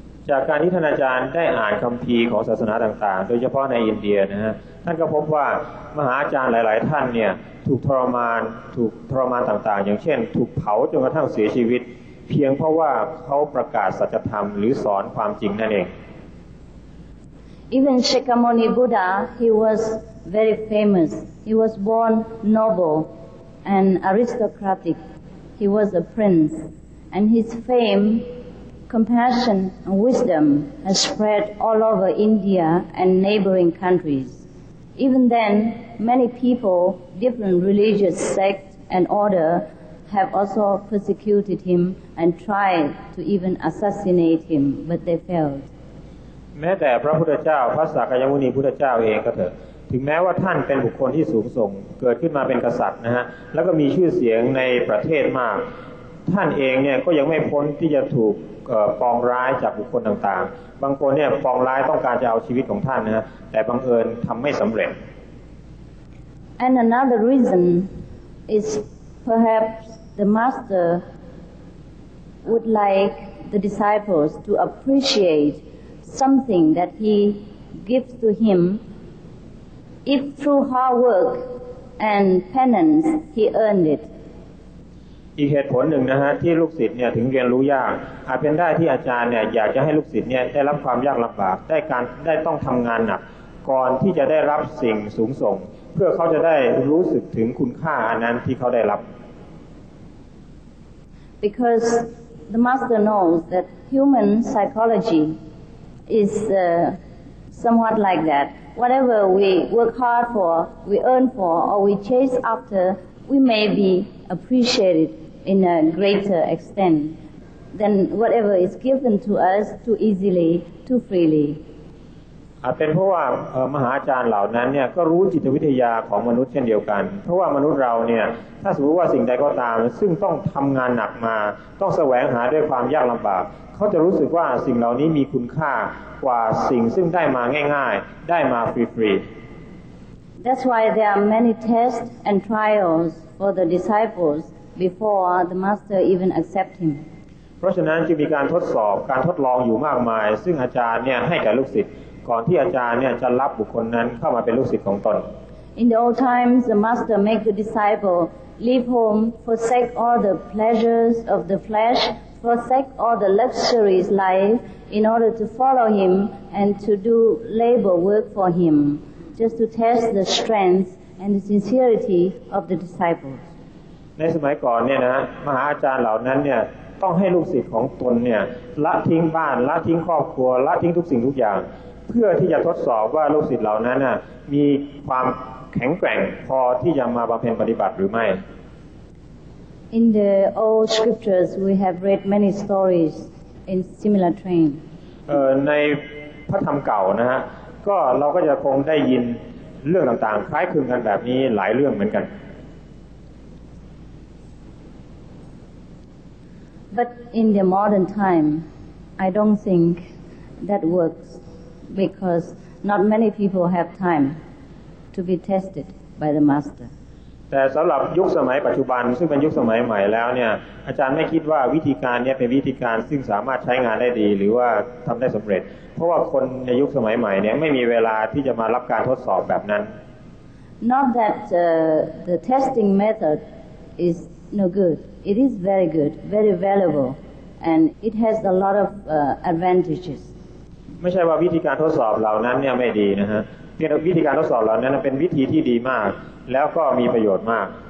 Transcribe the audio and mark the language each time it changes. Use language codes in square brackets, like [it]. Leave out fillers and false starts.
[th] จากการที่ท่านอาจารย์ได้อ่านคัมภีร์ของศาสนาต่างๆโดยเฉพาะในอินเดียนะฮะท่านก็พบว่ามหาอาจารย์หลายๆท่านเนี่ยถูกทรมานต่างๆอย่างเช่นถูกเผาจนกระทั่งเสียชีวิตเพียงเพราะว่าเขาประกาศสัจธรรมหรือสอนความจริงนั่นเอง [en] Even Shakyamuni Buddha, he was very famous. He was born noble. An aristocratic, he was a prince, and his fame, compassion, and wisdom has spread all over India and neighboring countries. Even then, many people, different religious sects and order, have also persecuted him and tried to even assassinate him, but they failed. [th] แม้แต่พระพุทธเจ้าพระสักยมุนีพุทธเจ้าเองก็เถอะถึงแม้ว่าท่านเป็นบุคคลที่สูงส่งเกิดขึ้นมาเป็นกษัตริย์นะฮะแล้วก็มีชื่อเสียงในประเทศมากท่านเองเนี่ยก็ยังไม่พ้นที่จะถูกปองร้ายจากบุคคลต่างๆบางคนเนี่ยปองร้ายต้องการจะเอาชีวิตของท่านนะฮะแต่บังเอิญทำไม่สำเร็จ [en] And another reason is perhaps the master would like the disciples to appreciate something that he gives to himIf through hard work and penance he earned it. [th] อีกเหตุผลหนึ่งนะฮะที่ลูกศิษย์เนี่ยถึงเรียนรู้ยากอาจเป็นได้ที่อาจารย์เนี่ยอยากจะให้ลูกศิษย์เนี่ยได้รับความยากลำบากได้การได้ต้องทำงานหนักก่อนที่จะได้รับสิ่งสูงส่งเพื่อเขาจะได้รู้สึกถึงคุณค่าอันนั้นที่เขาได้รับ [en] Because the master knows that human psychology is somewhat like that. Whatever we work hard for, we earn for, or we chase after, we may be appreciated in a greater extent than whatever is given to us too easily, too freely. [th] อาจเป็นเพราะว่ามหาอาจารย์เหล่านั้นเนี่ยก็รู้จิตวิทยาของมนุษย์เช่นเดียวกันเพราะว่ามนุษย์เราเนี่ยถ้าสมมติว่าสิ่งใดก็ตามซึ่งต้องทำงานหนักมาต้องแสวงหาด้วยความยากลำบากเขาจะรู้สึกว่าสิ่งเหล่านี้มีคุณค่ากว่าสิ่งซึ่งได้มาง่ายๆได้มาฟรีๆ [en] That's why there are many tests and trials for the disciples before the master even accept him [th] เพราะฉะนั้นจึงมีการทดสอบการทดลองอยู่มากมายซึ่งอาจารย์เนี่ยให้กับลูกศิษย์ก่อนที่อาจารย์เนี่ยจะรับบุคคลนั้นเข้ามาเป็นลูกศิษย์ของตน [en] In the old times the master make the disciple leave home forsake all the pleasures of the fleshForsake all the luxuries life in order to follow him and to do labor work for him, just to test the strength and the sincerity of the disciples. [th] ในสมัยก่อนเนี่ยนะมหาอาจารย์เหล่านั้นเนี่ยต้องให้ลูกศิษย์ของตนเนี่ยละทิ้งบ้านละทิ้งครอบครัวละทิ้งทุกสิ่งทุกอย่างเพื่อที่จะทดสอบว่าลูกศิษย์เหล่านั้นน่ะมีความแข็งแกร่งพอที่จะมาบำเพ็ญปฏิบัติหรือไม่ [en] In the old scriptures, we have read many stories in similar train. [th] ในพระธรรมเก่านะฮะก็เราก็จะคงได้ยินเรื่องต่างๆคล้ายคลึงกันแบบนี้หลายเรื่องเหมือนกัน [en] But in the modern time, I don't think that works because not many people have time to be tested by the master. [th] แต่สำหรับยุคสมัยปัจจุบันซึ่งเป็นยุคสมัยใหม่แล้วเนี่ยอาจารย์ไม่คิดว่าวิธีการนี้เป็นวิธีการซึ่งสามารถใช้งานได้ดีหรือว่าทำได้สำเร็จเพราะว่าคนในยุคสมัยใหม่เนี่ยไม่มีเวลาที่จะมารับการทดสอบแบบนั้น [en] Not that the testing method is no good. It is very good, very valuable, and it has a lot of advantages. [th] ม่ใช่ว่าวิธีการทดสอบเหล่านั้นเนี่ยไม่ดีนะฮะเพียงวิธีการทดสอบเหล่านั้นเป็นวิธีที่ดีมากแล้วก็มีประโยชน์มาก